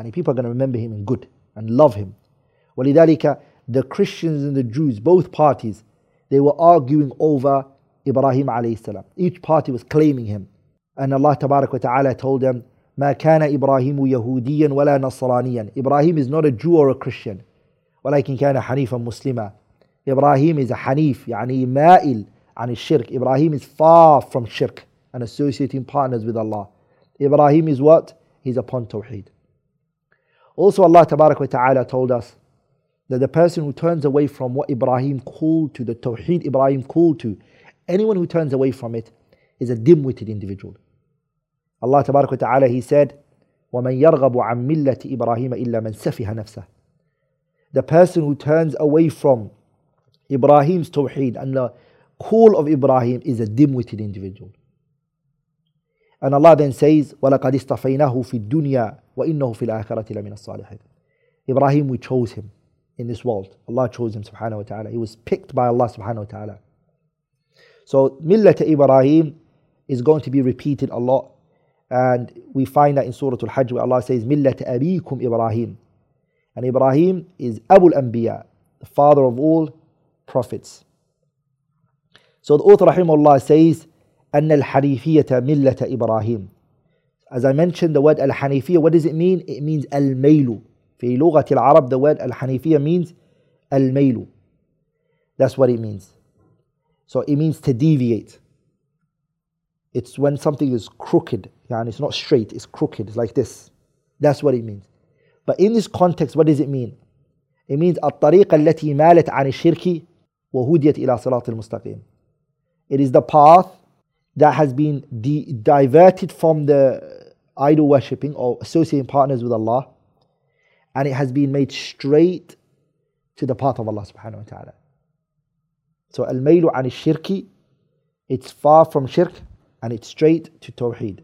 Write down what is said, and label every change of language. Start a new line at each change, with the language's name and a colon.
English: And people are going to remember him in good and love him. وَلِذَلِكَ the Christians and the Jews, both parties, they were arguing over Ibrahim alayhi salam. Each party was claiming him. And Allah tabarak wa ta'ala told them,
Arabic: مَا كَانَ إِبْرَاهِيمُ يَهُودِيًّا وَلَا نَصْرَانِيًّا.
English: Ibrahim is not a Jew or a Christian.
Arabic: وَلَكِنْ كَانَ حَنِيفًا مُسْلِمًا.
English: Ibrahim is a Hanif,
Arabic: يعني مائل عن الشرك.
English: Ibrahim is far from shirk and associating partners with Allah. Ibrahim is what? He's upon Tawheed. Also Allah tabarak wa ta'ala told us that the person who turns away from what Ibrahim called to, the Tawheed Ibrahim called to, anyone who turns away from it is a dim-witted individual. Allah tabarak wa ta'ala, He said,
Arabic: وَمَنْ يَرْغَبُ عَنْ مِلَّةِ إِبْرَاهِيمَ إِلَّا مَنْ سَفِهَ نَفْسَهُ.
English: The person who turns away from Ibrahim's Tawheed and the call of Ibrahim is a dim-witted individual. And Allah then says,
Arabic: وَلَقَدْ اِسْتَفَيْنَهُ فِي الدُّنْيَا وَإِنَّهُ فِي الْآخَرَةِ لَمِنَ الصَّالِحِينَ.
English: Ibrahim, we chose him in this world. Allah chose him, subhanahu wa ta'ala. He was picked by Allah, subhanahu wa ta'ala. So, Millat Ibrahim is going to be repeated a lot. And we find that in Surah Al-Hajj, where Allah says, Millat Abikum Ibrahim. And Ibrahim is Abu al-Anbiya, the father of all prophets. So the author, rahimahullah, says,
Arabic: أن الحنيفية ملة إبراهيم.
English: As I mentioned, the word الحنيفية, what does it mean? It means الميل.
Arabic: في لغة العرب,
English: the word الحنيفية means الميل. That's what it means. So it means to deviate. It's when something is crooked. يعني it's not straight, it's crooked. It's like this. That's what it means. But in this context, what does it mean? It means
Arabic: الطريقة التي مالت عن الشرك وهديت إلى صراط المستقيم.
English: It is the path that has been diverted from the idol worshipping or associating partners with Allah, and it has been made straight to the path of Allah subhanahu wa ta'ala. So al-maylu ani shirki, it's far from shirk and it's straight to tawheed.